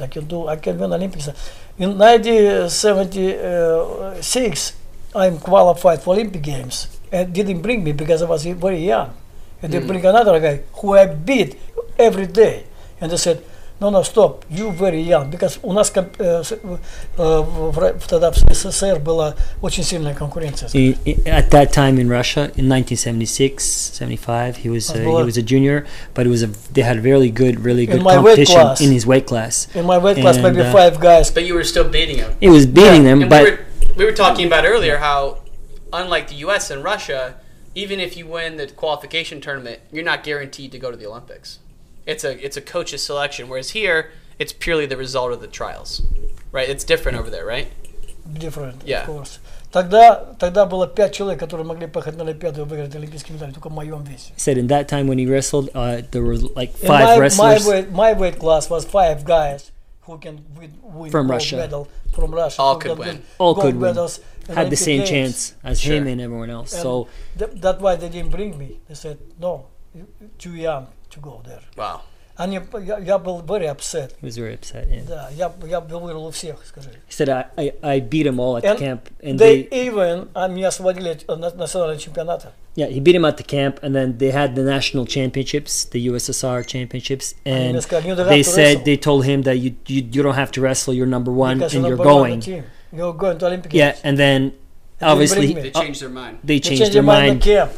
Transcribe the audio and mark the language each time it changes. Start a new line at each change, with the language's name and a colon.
English: I can win Olympics. In 1976, I'm qualified for Olympic Games. And didn't bring me because I was very young. And they bring another guy who I beat every day. And they said, no, stop, you very young. Because
Russian: у нас тогда в СССР была очень сильная конкуренция.
English: At that time in Russia, in 1976, 75, he was a junior. But it was they had really good competition in his weight class. In my weight class, maybe five guys. But you were still beating him. He was beating them. And but we were talking about earlier how, unlike the U.S. and Russia, even if you win the qualification tournament, you're not guaranteed to go to the Olympics. It's a coach's selection, whereas here it's purely the result of the trials, right? It's different over there, right? Different, yeah. Of course.
Russian: Тогда было пять человек, которые могли поехать на Олимпиаду и выиграть олимпийский медаль, только в моем весе.
English: He said in that time when he wrestled, there were like five wrestlers. My weight class was five guys who can win from gold Russia. Medal from Russia. All could win. All could win. Had the same chance as him and everyone else. And so that's why they didn't bring me. They said no, too young to go there. Wow. And
Russian: я был
English: very upset. He was very upset, yeah.
Russian: Да, я выиграл у всех, скажи.
English: He said, I beat them all at the camp. And
Russian: меня освободили от национального чемпионата.
English: Yeah, he beat him at the camp, and then they had the national championships, the USSR championships, and they told him that you don't have to wrestle, you're number one, because and you're going to Olympic Games. Yeah, and then obviously, they changed their mind. At the camp.